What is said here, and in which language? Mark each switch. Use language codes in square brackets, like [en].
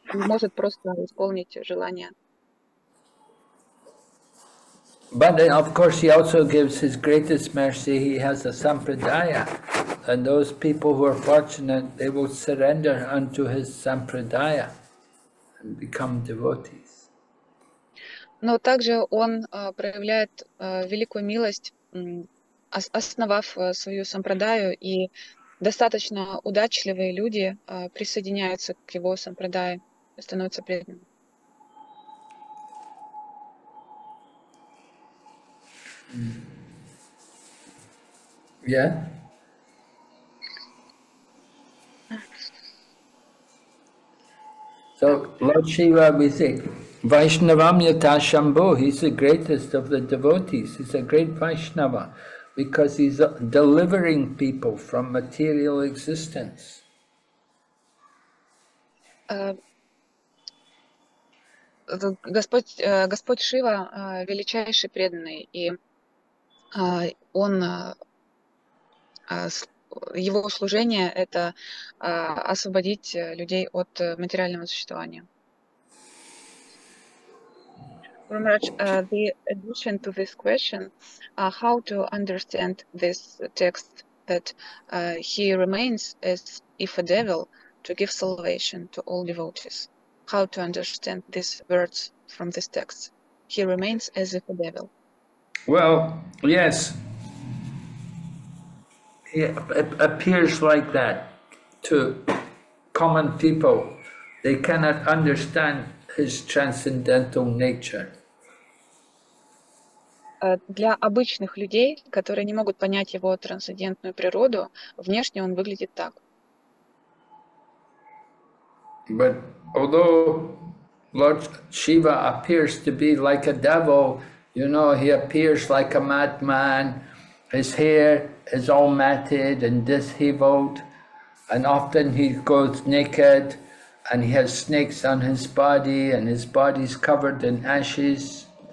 [ru] Он может просто исполнить желания. [en] But of course he also gives his greatest mercy. He has a sampradaya, and those people who are fortunate, they will surrender unto his sampradaya and become devotees. [ru] Но также он проявляет великую милость, основав свою сампрадаю, и достаточно удачливые люди присоединяются к его сампрадае, становятся преданными. [en] Yeah. So Lord Shiva, we say [sa] Vaishnavam Yata Shambho, [en] he's the greatest of the devotees. He's a great Vaishnava because he's delivering people from material existence. [ru] Господь Шива величайший преданный, и его служение — это освободить людей от материального существования. [en] Ramraj, the addition to this question, how to understand this text that he remains as if a devil to give salvation to all devotees? How to understand these words from this text? He remains as if a devil. Well, yes, he appears like that to common people. They cannot understand his transcendental nature. [ru] Для обычных людей, которые не могут понять его трансцендентную природу, внешне он выглядит так. [en] But although Lord Shiva appears to be like a devil, you know, he appears like a madman. His hair is all matted and disheveled, and often he goes naked, and he has snakes on his body, and his body's covered in ashes.